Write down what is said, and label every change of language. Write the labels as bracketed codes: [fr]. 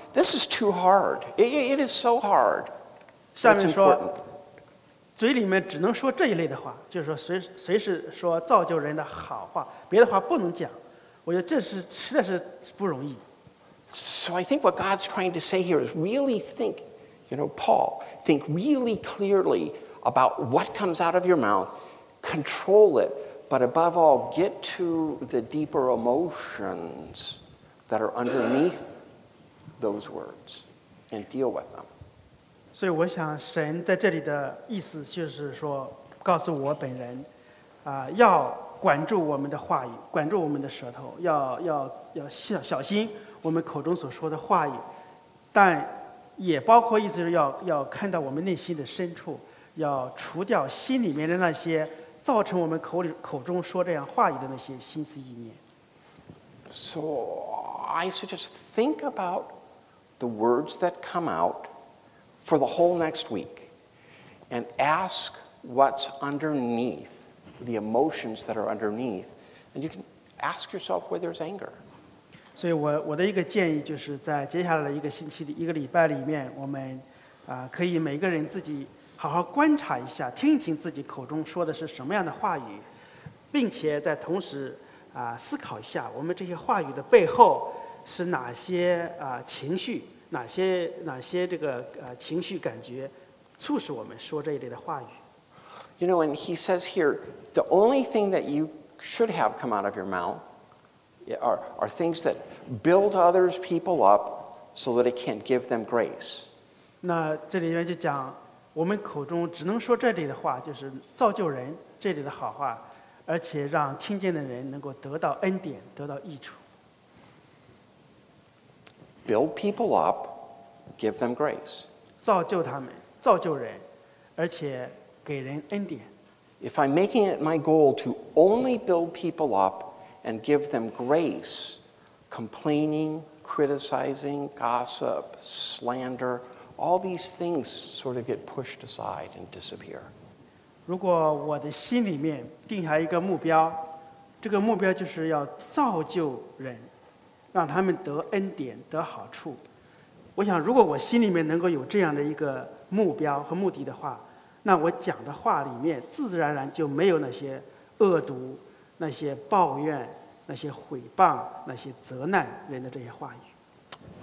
[en] This is too hard. It is so hard. [zh] 下面说，嘴里面只能说这一类的话，就是说随时说造就人的好话，别的话不能讲。我觉得这是实在是不容易。 [en] So I think what God's trying to say here is really think, you know, Paul, think really clearly about what comes out of your mouth, control it, but above all, get to the deeper emotions that are underneath those words and deal with them. [zh] 所以我想神在这里的意思就是说告诉我本人要管住我们的话语，管住我们的舌头，要小心我们口中所说的话语，但也包括意思是要看到我们内心的深处，要除掉心里面的那些造成我们口中说这样话语的那些心思意念。 [en] So I suggest think about the words that come out for the whole next week, and ask what's underneath the emotions that are underneath, and you can ask yourself where there's anger. [zh] 所以我的一个建议就是在接下来的一个星期里一个礼拜里面我们可以每个人自己好好观察一下听一听自己口中说的是什么样的话语并且在同时思考一下我们这些话语的背后是哪些情绪哪些这个情绪感觉促使我们说这一类的话语 [en] You know, and he says here, the only thing that you should have come out of your mouthare things that build others people up so that it can give them grace. [zh] 那这里面就讲我们口中只能说这里的话就是造就人这里的好话而且让听见的人能够得到恩典得到益处。 [en] Build people up, give them grace. [zh] 造就他们造就人而且给人恩典。 [en] If I'm making it my goal to only build people upand give them grace, complaining, criticizing, gossip, slander, all these things sort of get pushed aside and disappear. [zh] 如果我的心里面定下一个目标，这个目标就是要造就人，让他们得恩典，得好处。我想如果我心里面能够有这样的一个目标和目的的话，那我讲的话里面自然而然就没有那些恶毒那些抱怨那些毁谤那些责难人的这些话语